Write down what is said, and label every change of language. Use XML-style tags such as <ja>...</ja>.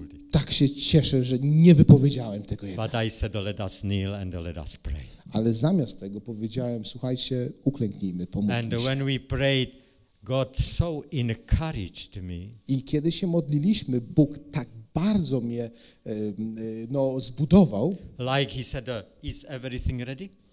<pl>Tak się cieszę, że nie wypowiedziałem tego jednak.</pl> <en>But I said, let us kneel and let us pray.</en> <pl>Ale zamiast tego powiedziałem: słuchajcie, uklęknijmy, pomódlmy</pl> <en>and</en> <pl>się.</pl> <en>When we prayed, God so encouraged me.</en> <pl>I kiedy się modliliśmy, Bóg tak bardzo mnie zbudował.</pl> <en>Like he said, is everything ready?</en>